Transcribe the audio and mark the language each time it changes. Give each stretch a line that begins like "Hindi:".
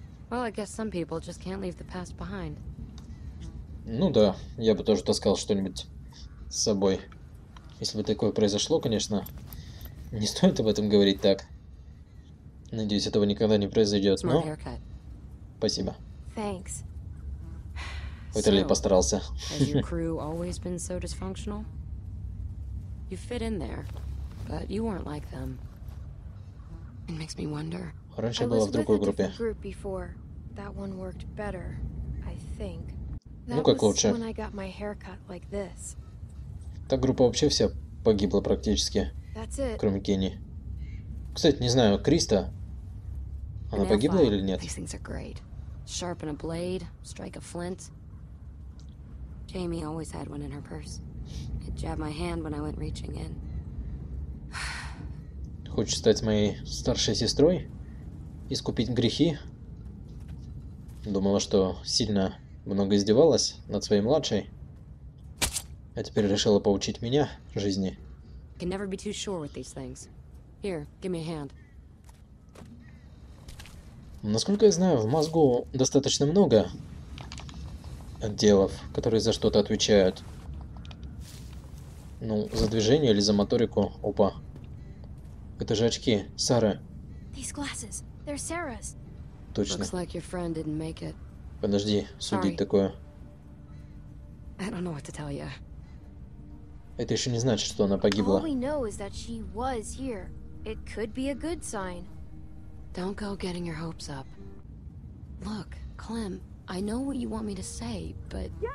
English: Well, I guess some people just can't leave the past behind.
Russian: Ну да, я бы тоже таскал что-нибудь с собой. Если бы такое произошло, конечно. Не стоит об этом говорить так. Надеюсь, этого никогда не произойдет, но... Спасибо.
English: Thanks.
Russian: Вытерли, so, постарался.
English: Has your crew always been so dysfunctional? You fit in there, but you weren't like them. It makes me wonder.
Russian: Раньше была в другой группе.
English: Group before. That one worked better, I think.
Russian: Ну как лучше.
English: When I got my haircut like this.
Russian: Та группа вообще вся погибла практически. Кроме Кенни. Кстати, не знаю, Криста. Она погибла или нет?
English: These things are great. Sharpen a blade, strike a flint. Jamie always had one in her purse. It jabbed my hand when I went reaching in.
Russian: Хочешь стать моей старшей сестрой? Искупить грехи? Думала, что сильно много издевалась над своей младшей. А теперь решила поучить меня жизни.
English: Can never be too sure with these things. Here, give me a hand.
Russian: Насколько я знаю, в мозгу достаточно много отделов, которые за что-то отвечают. Ну, за движение или за моторику. Опа. Это же очки, Сара.
English: These glasses, they're Sarah's.
Russian: Точно.
English: Looks like your friend didn't make it.
Russian: Подожди, судить
English: Sorry.
Russian: Такое.
English: I don't know what to tell you.
Russian: Это еще не значит, что она погибла.
English: All we know is that she was here. It could be a good sign. Don't go getting your hopes up. Look, Clem, I know what you want me to say, but...